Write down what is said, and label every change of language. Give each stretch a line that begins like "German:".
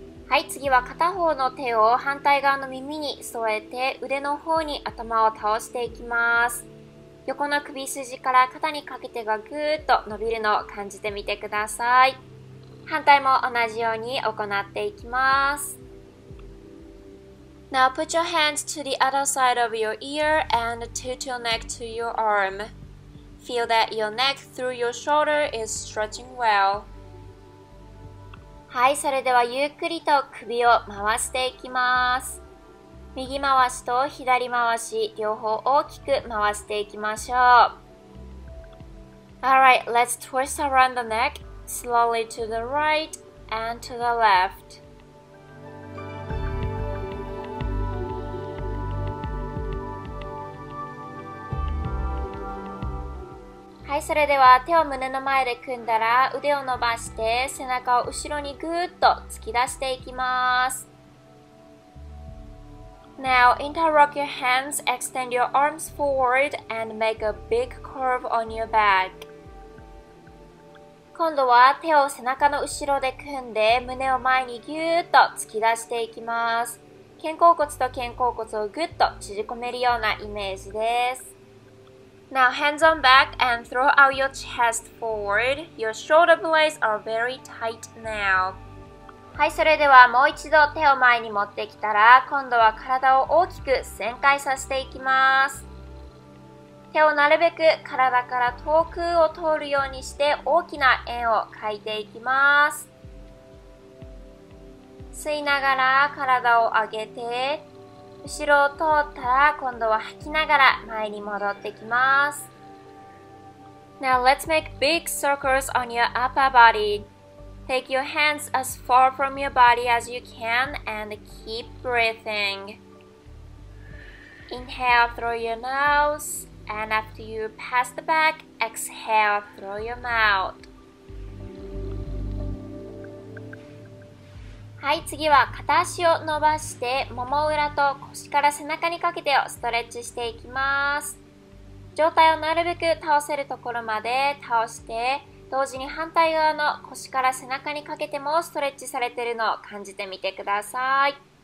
Japanese: はい、次は片方の手を反対側の耳に添えて腕の方に頭を倒していきます。横の首筋から肩にかけてがぐーっと伸びるのを感じてみてください。反対も同じように行っていきます。
English: Now put your hands to the other side of your ear and tilt your neck to your arm. Feel that your neck through your shoulder is stretching well.
Japanese: はい、それではゆっくりと首を回していきます。右回しと左回し両方大きく回していきましょう。
English: Alright, let's twist around the neck slowly to the right and to the left.
Japanese: はい、それでは手を胸の前で組んだら腕を伸ばして背中を後ろにぐーっと突き出していきます。
English: Now interlock your hands, extend your arms forward and make a big curve on your back.
Japanese: 今度は手を背中の後ろで組んで胸を前にぎゅーっと突き出していきます。肩甲骨と肩甲骨をぐっと縮込めるようなイメージです。
English: Now hands on back and throw out your chest forward. Your shoulder blades are very tight now.
Japanese: はい、それではもう一度手を前に持ってきたら、今度は体を大きく旋回させていきます。手をなるべく体から遠くを通るようにして大きな円を描いていきます。吸いながら体を上げて、後ろを通ったら今度は吐きながら前に戻ってきます。
English: Now let's make big circles on your upper body. Take your hands as far from your body as you can and keep breathing. Inhale through your nose and after you pass the back, exhale through your mouth.
Japanese: はい、次は片足を伸ばしてもも裏と腰から背中にかけてをストレッチしていきます。上体をなるべく倒せるところまで倒して、同時に反対側の腰から背中にかけてもストレッチされているのを感じてみてください。